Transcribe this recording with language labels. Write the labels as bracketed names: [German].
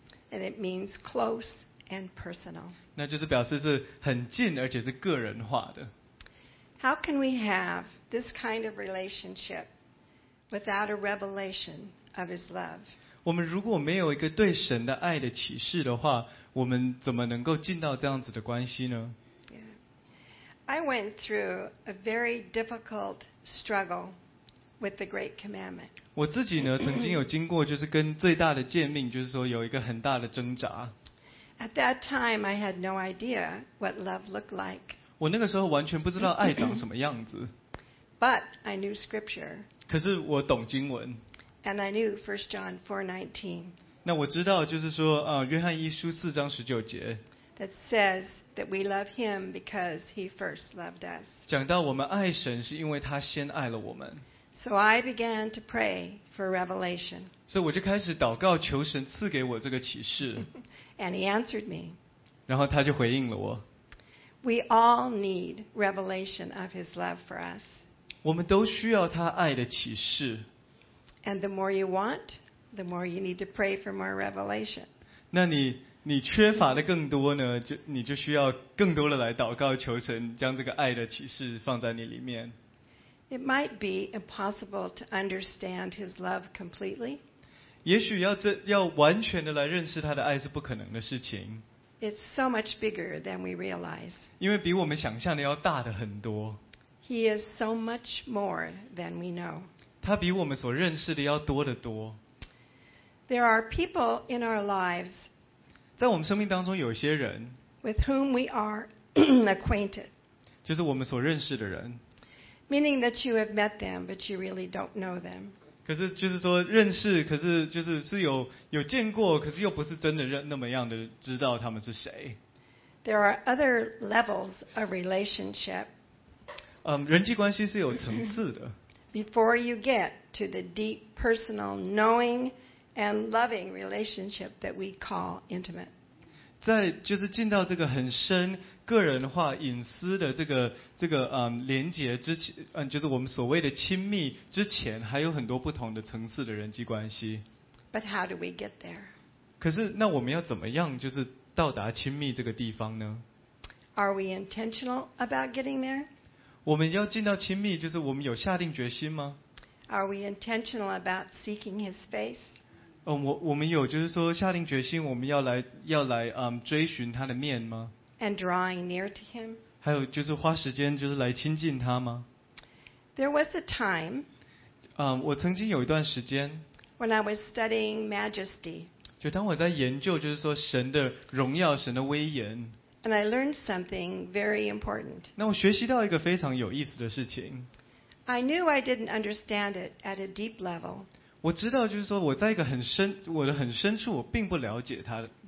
[English] And it means close and personal. [Chinese] 那就是表示是很近而且是个人化的。 [English] How can we have this kind of relationship without a revelation of His love? [Chinese] 我们如果没有一个对神的爱的启示的话，我们怎么能够进到这样子的关系呢 [English] ？I went through a very difficult struggle with the Great Commandment. [Chinese] 我自己呢，曾经有经过，就是跟最大的诫命，就是说有一个很大的挣扎。 [English] At that time, I had no idea what love looked like. [Chinese] 我那个时候完全不知道爱长什么样子。 [English] But I knew scripture. [Chinese] 可是我懂经文。 [English] And I knew 1 John 4:19. [Chinese] 那我知道就是说约翰一书4:19。 [English] That says that we love him because he first loved us. [Chinese] 讲到我们爱神是因为他先爱了我们。 [English] So I began to pray for revelation. [Chinese] 所以我就开始祷告求神赐给我这个启示。 [English] And he answered me. [Chinese] 然后他就回应了我。 [English] We all need revelation of His love for us. [Chinese] 我们都需要他爱的启示。 [English] And the more you want, the more you need to pray for more revelation. [Chinese] 那你缺乏的更多呢？你就需要更多的来祷告求神，将这个爱的启示放在你里面。 [English] It might be impossible to understand His love completely. [Chinese] 也许要完全的来认识他的爱是不可能的事情。 [English] It's so much bigger than we realize. [Chinese] 因为比我们想象的要大的很多。 [English] He is so much more than we know. [Chinese] 他比我们所认识的要多得多。 [English] There are people in our lives [Chinese] 在我们生命当中有些人 [English] with whom we are acquainted [Chinese] 就是我们所认识的人 [English] meaning that you have met them but you really don't know them [Chinese] 可是就是说认识可是就是是有见过可是又不是真的认那么样的知道他们是谁 [English] There are other levels of relationship [Chinese] 人际关系是有层次的 [English] Before you get to the deep personal knowing and loving relationship that we call intimate. [Chinese] 在就是进到这个很深个人化隐私的这个连结之前，就是我们所谓的亲密之前，还有很多不同的层次的人际关系。 [English] But how do we get there? [Chinese] 可是那我们要怎么样就是到达亲密这个地方呢？ [English] Are we intentional about getting there? [Chinese] 我们要进到亲密，就是我们有下定决心吗 [English] ？Are we intentional about seeking His face？ [Chinese] 我们有就是说下定决心，我们要来追寻他的面吗 [English] ？And drawing near to Him？ [Chinese] 还有就是花时间就是来亲近他吗 [English] ？There was a time， [Chinese] 我曾经有一段时间 [English] ，When I was studying Majesty， [Chinese] 就当我在研究就是说神的荣耀、神的威严。 [English] And I learned something very important. [Chinese] 那我学习到一个非常有意思的事情。 [English] I knew I didn't understand it at a deep level. [Chinese] 我知道就是说我在一个很深我的很深处我并不了解它。